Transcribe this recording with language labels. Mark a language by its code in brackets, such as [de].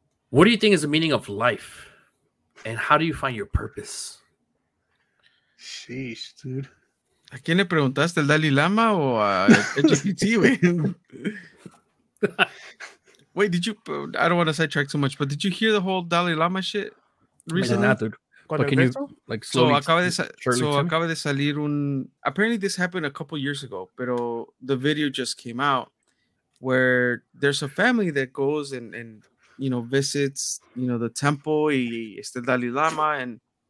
[en] What do you think is the meaning of life? And how do you find your purpose? Sheesh, dude. [es] ¿A quién le preguntaste, el Dalai Lama o a ChatGPT, güey? [en] Wait, did you... I don't want to sidetrack too much, but did you hear the whole Dalai Lama shit recently? Not, dude. But can you, like, so [es] acaba de salir un... [en] Apparently this happened a couple years ago, [es] pero [en] the video just came out where there's a family that goes and you know, visits, you know, the temple [es] y este [en] Dalai Lama and...